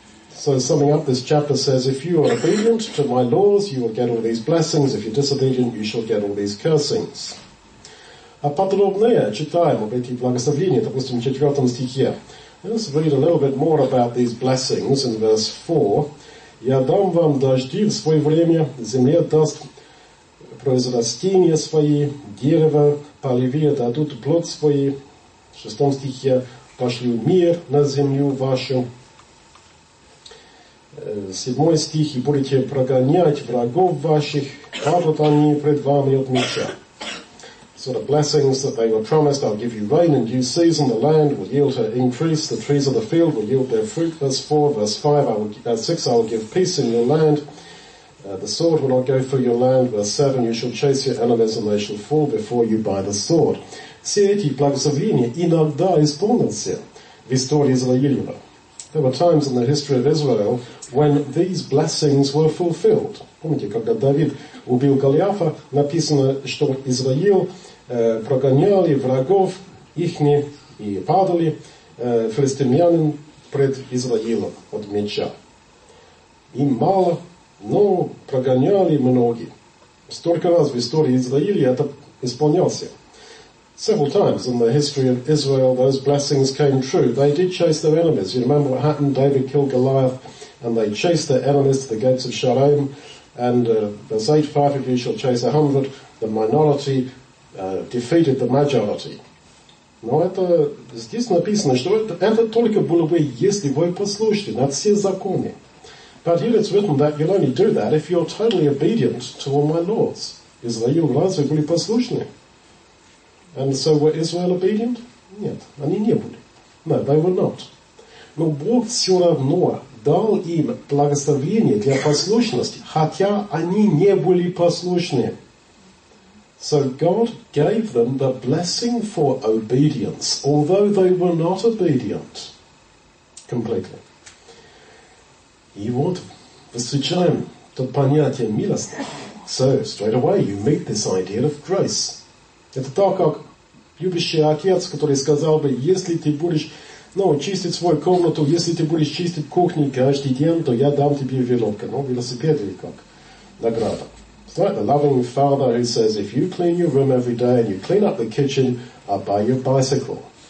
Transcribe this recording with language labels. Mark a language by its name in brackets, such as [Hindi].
[English] So summing up, this chapter says, if you are obedient to my laws, you will get all these blessings. If you're disobedient, you shall get all these cursings. [Russian] А подробнее читаем об этих благословениях, допустим, в 4 стихе. [English] Let's read a little bit more about these blessings in verse 4. [Russian] Я дам вам дожди в свое время, земля даст произрастения свои, дерево, полевые дадут плод свои. В 6 стихе пошлю мир на землю вашу. 7 стих, и будете прогонять врагов ваших, падут они пред вами от меча. [English] So the blessings that they were promised, I'll give you rain in due season, the land will yield her increase, the trees of the field will yield their fruit, verse 4, verse 5, verse 6, I will give peace in your land, the sword will not go through your land, verse 7, you shall chase your enemies and they shall fall before you by the sword. [Russian] Все эти благословения иногда исполнятся в истории Израилева. [English] There were times in the history of Israel when these blessings were fulfilled. [Russian] Помните, когда Давид убил Голиафа, написано, что Израил прогоняли врагов ихни и падали филистимлянин пред Израилом от меча. Им мало, но прогоняли многие. Столько раз в истории Израиля это исполнялся. [English] Several times in the history of Israel, those blessings came true. They did chase their enemies. You remember what happened? David killed Goliath, and they chased their enemies to the gates of Sharon. And verse 8, 5 of you shall chase 100. The minority defeated the majority. [Russian] Но это здесь написано, что это только было бы, если вы послушны на все законы. [English] But here it's written that you'll only do that if you're totally obedient to all my laws. Israel, [Russian] разве были послушны? [English] And so were Israel obedient? [Russian] Нет, они не были. [English] No, they were not. [Russian] Но Бог все равно дал им благословение для послушности, хотя они не были послушны. [English] So God gave them the blessing for obedience, although they were not obedient completely. [Russian] И вот встречаем то понятие милости. [English] So straight away you meet this idea of grace. [Russian] Это так, как любящий отец, который сказал бы, если ты будешь, чистить свою комнату, если ты будешь чистить кухню каждый день, то я дам тебе веревку, велосипед или как, награда. [English] It's like the loving father who says, if you clean your room every day and you clean up the kitchen, I'll buy you a bicycle.